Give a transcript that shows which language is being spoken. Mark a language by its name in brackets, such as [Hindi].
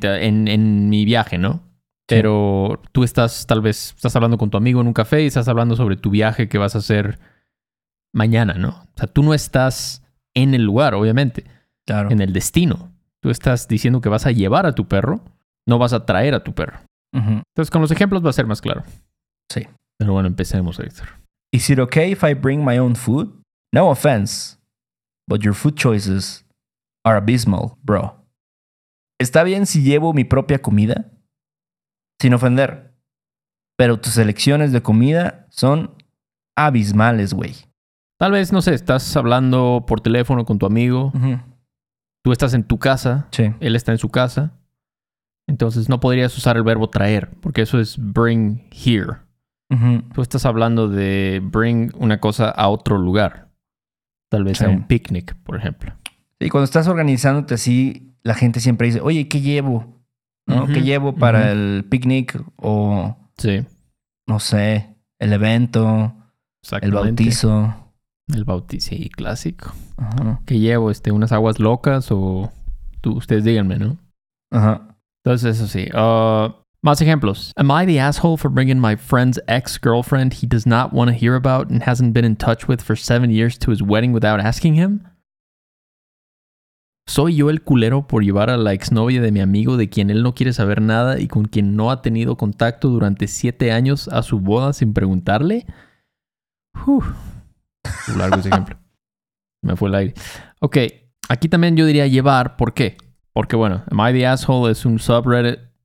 [Spanish] En mi viaje, ¿no? Pero sí. Tú estás hablando con tu amigo en un café y estás hablando sobre tu viaje que vas a hacer mañana, ¿no? O sea, tú no estás en el lugar, obviamente. Claro. En el destino. Tú estás diciendo que vas a llevar a tu perro, no vas a traer a tu perro. Uh-huh. Entonces, con los ejemplos va a ser más claro. Sí. Pero bueno, empecemos, Héctor. [English] Is it okay if I bring my own food? No offense, but your food choices are abysmal, bro. [Spanish] ¿Está bien si llevo mi propia comida? Sin ofender. Pero tus elecciones de comida son abismales, güey. Tal vez, no sé, estás hablando por teléfono con tu amigo. Uh-huh. Tú estás en tu casa. Sí. Él está en su casa. Entonces, no podrías usar el verbo traer, porque eso es [English] bring here. [Spanish] Uh-huh. Tú estás hablando de bring una cosa a otro lugar. Tal vez sí. A un picnic, por ejemplo. Sí, cuando estás organizándote así, la gente siempre dice, oye, ¿qué llevo? ¿No? Uh-huh. ¿Qué llevo para uh-huh. el picnic? O, sí. No sé, el evento, el bautizo. El bautizo, sí, clásico. Ajá. ¿Qué llevo? ¿Unas aguas locas o...? Ustedes díganme, ¿no? Ajá. Entonces, eso sí. Más ejemplos. [English] Am I the asshole for bringing my friend's ex-girlfriend he does not want to hear about and hasn't been in touch with for 7 years to his wedding without asking him? [Spanish] ¿Soy yo el culero por llevar a la exnovia de mi amigo de quien él no quiere saber nada y con quien no ha tenido contacto durante 7 años a su boda sin preguntarle? Uf. Un largo ese ejemplo. Me fue el aire. Ok. Aquí también yo diría llevar. ¿Por qué? Porque, bueno, Am I the Asshole es un subreddit